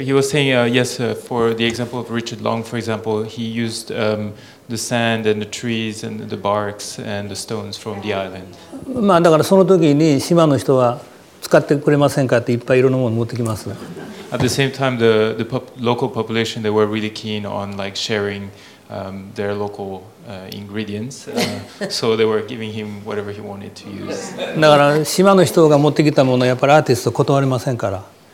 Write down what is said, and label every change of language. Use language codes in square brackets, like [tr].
[en] He was saying, for the example of Richard Long, for example, he used the sand and the trees and the barks and the stones from the island. [ja] まあだからその時に島の人は使ってくれませんかっていっぱいいろんなもの持ってきます。 [en] At the same time, the local population, they were really keen on like sharing their local ingredients, so they were giving him whatever he wanted to use. [ja] だから島の人が持ってきたものはやっぱりアーティスト断れませんから。